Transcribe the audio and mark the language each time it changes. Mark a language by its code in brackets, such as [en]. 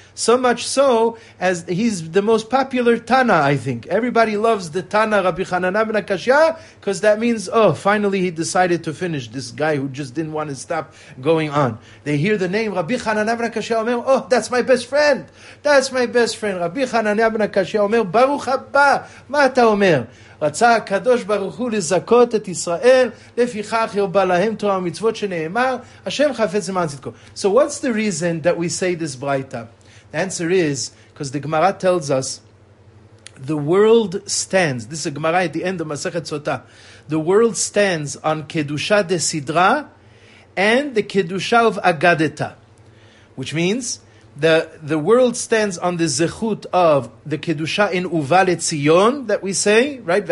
[en] So much so, as he's the most popular Tana, I think. Everybody loves the Tana Rabbi Hananiah ben Akashia, because that means, oh, finally he decided to finish, this guy who just didn't want to stop going on. They hear the name Rabbi Hananiah ben Akashia Omer, oh, that's my best friend. That's my best friend. Rabbi Hananiah ben Akashia Omer, [he] Baruch Abba, Ma Ata Omer. רצה הקדוש ברוך הוא לזכות את ישראל, לפיכך ירבה להם תורה ומצוות שנאמר, השם חפץ למען צדקו. [en] So what's the reason that we say this braita? The answer is, because the Gemara tells us, the world stands, this is a Gemara at the end of Masechet Sota, the world stands on Kedusha de Sidra and the Kedusha of Agadeta, which means the world stands on the zechut of the Kedusha in Uva Letzion that we say, right?